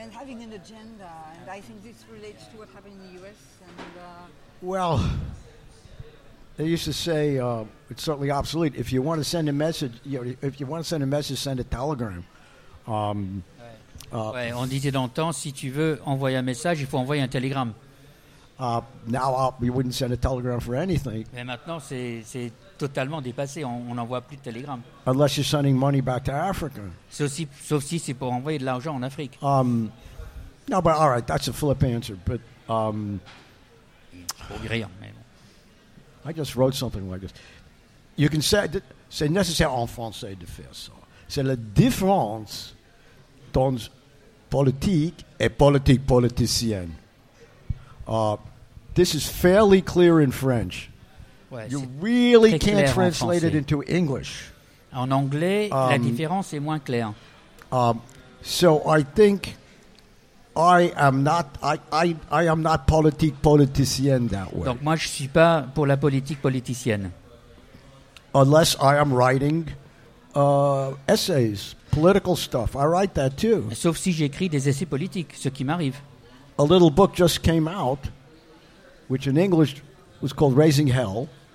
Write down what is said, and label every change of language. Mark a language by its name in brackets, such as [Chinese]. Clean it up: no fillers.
[English] and having an agenda, and I think this relates to what happened in the U.S. And, well, they used to say it's certainly obsolete. If you want to send a message, you know, if you want to send a message, send a telegram. [French] Ouais, on disait dans le temps, si tu veux envoyer un message, il faut envoyer un télégramme. [English] You wouldn't send a telegram for anything. [French] Mais maintenant, c'est totalement dépassé. On n'envoie plus de télégramme. [English] Unless you're sending money back to Africa. [French] Sauf si c'est pour envoyer de l'argent en Afrique. [English] No, but all right, that's a flip answer. But [French] pour rire, mais bon. [English] I just wrote something like this. You can say that [French] c'est nécessaire en français de faire ça. C'est la différence dans politique et politique politicienne. [English] This is fairly clear in French. [French] Ouais, [English] you really can't translate it into English. [French] En anglais, la différence est moins claire. [English] So I think I am not politique politicienne that way. [French] Donc moi je suis pas pour la politique politicienne. [English] Unless I am writing essays, political stuff. I write that too. [French] Sauf si j'écris des essais politiques, ce qui m'arrive. [English] A little book just came out, which in English was called Raising Hell.